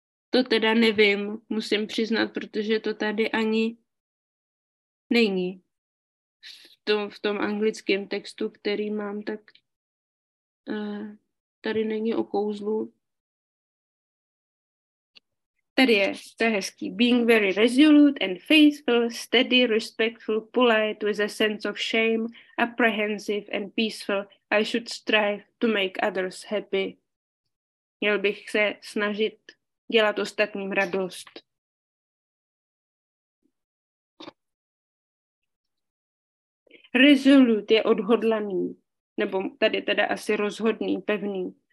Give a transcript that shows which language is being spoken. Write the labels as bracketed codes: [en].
[cs] To teda nevím, musím přiznat, protože to tady ani není. V tom anglickém textu, který mám, tak tady není o kouzlu. Tady je, to je hezký. [en] Being very resolute and faithful, steady, respectful, polite, with a sense of shame, apprehensive and peaceful, I should strive to make others happy. [cs] Měl bych se snažit dělat ostatním radost. Resolute je odhodlaný, nebo tady teda asi rozhodný, pevný.